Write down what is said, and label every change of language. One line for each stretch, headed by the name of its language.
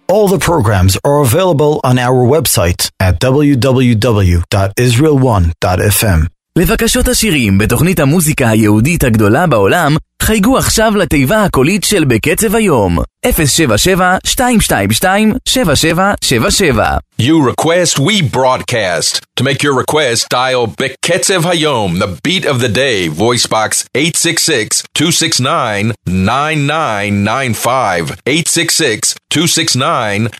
English: All the programs are available on our website at www.israel1.fm.
Hebrew: לבקשות השירים בתוכנית המוזיקה היהודית הגדולה בעולם, חייגו עכשיו לתיבה הקולית של בקצב היום. 077-222-7777.
English: You request, we broadcast. To make your request, dial בקצב היום, the beat of the day, voice box 866-269-9995.